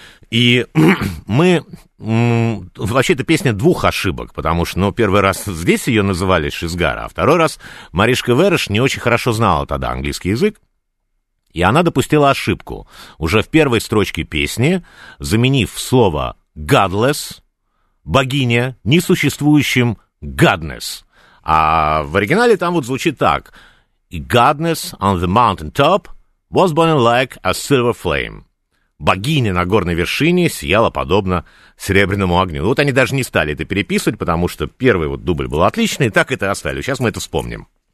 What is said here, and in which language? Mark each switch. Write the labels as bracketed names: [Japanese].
[Russian] И мы... вообще, это песня двух ошибок, потому что, ну, первый раз здесь ее называли «Шизгара», а второй раз Маришка Вереш не очень хорошо знала тогда английский язык, и она допустила ошибку, уже в первой строчке песни, заменив слово «godless» — «богиня» — несуществующим «godness». А в оригинале там вот звучит так. [English] «Godness on the mountaintop was burning like a silver flame». [Russian] «Богиня на горной вершине сияла подобно серебряному огню». Вот они даже не стали это переписывать, потому что первый вот дубль был отличный, и так это оставили. Сейчас мы это вспомним.